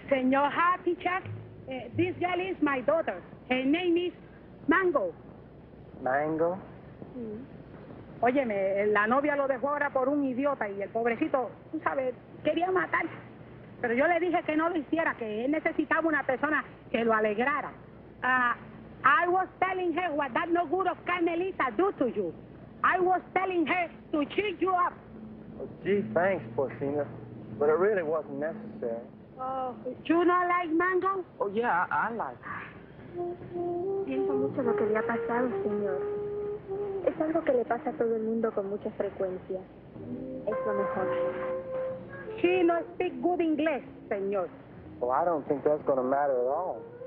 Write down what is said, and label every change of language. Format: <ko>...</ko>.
<en>Your happy Jack, this girl is my daughter. Her name is Mango. Mango?</en> <es>Sí. Óyeme, la novia lo dejó ahora por un idiota y el pobrecito, tú sabes, quería matar. Pero yo le dije que no lo hiciera, que él necesitaba una persona que lo alegrara.</es> <en>I was telling her what that no good of Carmelita do to you. I was telling her to cheer you up. Oh, gee, thanks, Porcina. But it really wasn't necessary. Oh, you not like Mango? Oh, yeah, I like.</en> <es>Siento mucho lo que le ha pasado, señor. Es algo que le pasa a todo el mundo con mucha frecuencia. Es lo mejor.</es> <en>She no speak good English, señor. Well, I don't think that's going to matter at all.</en>